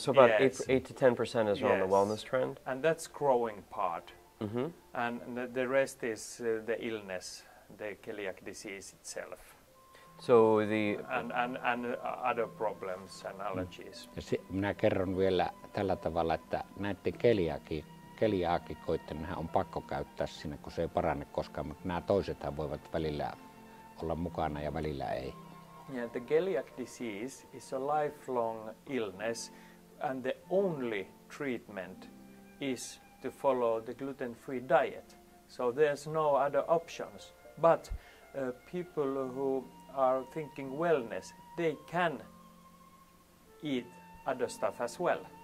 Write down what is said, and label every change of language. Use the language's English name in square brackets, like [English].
[English] So about 8 to 10% is around the wellness trend. And that's growing part. And the rest is the illness, the celiac disease itself. So the and other problems and allergies. [Finnish] Ja minä kerron vielä tällä tavalla, että näiden keliaakikoiden on pakko käyttää siinä, kun se ei parane koskaan, mutta nämä toisethan voivat välillä olla mukana ja välillä ei. [English] Yeah, the celiac disease is a lifelong illness and the only treatment is to follow the gluten-free diet. So there's no other options, but people who are thinking wellness, they can eat other stuff as well.